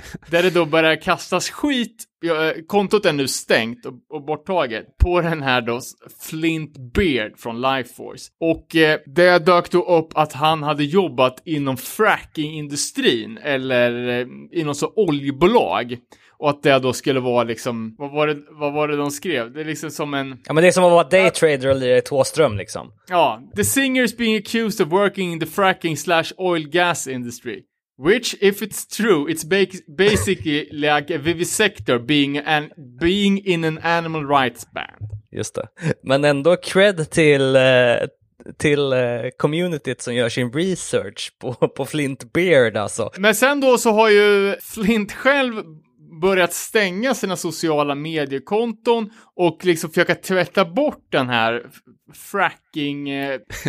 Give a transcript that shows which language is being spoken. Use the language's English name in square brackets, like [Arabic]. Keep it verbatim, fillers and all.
[Swedish] Där det då börjar kastas skit. Kontot är nu stängt och, och borttaget på den här då Flint Beard från Lifeforce. Och eh, det dök då upp att han hade jobbat inom frackingindustrin, eller eh, inom så oljebolag. Och att det då skulle vara liksom... Vad var det, vad var det de skrev? Det är liksom som en... Ja, men det är som att vara daytrader och lira i Tåström liksom. Ja. [English] The singer is being accused of working in the fracking slash oil gas industry. Which, if it's true, it's basically like a vivisector being, an, being in an animal rights band. [Swedish] Just det. Men ändå cred till, till communityt som gör sin research på, på Flint Beard alltså. Men sen då så har ju Flint själv börjat stänga sina sociala mediekonton och liksom försöka tvätta bort den här fracking eh,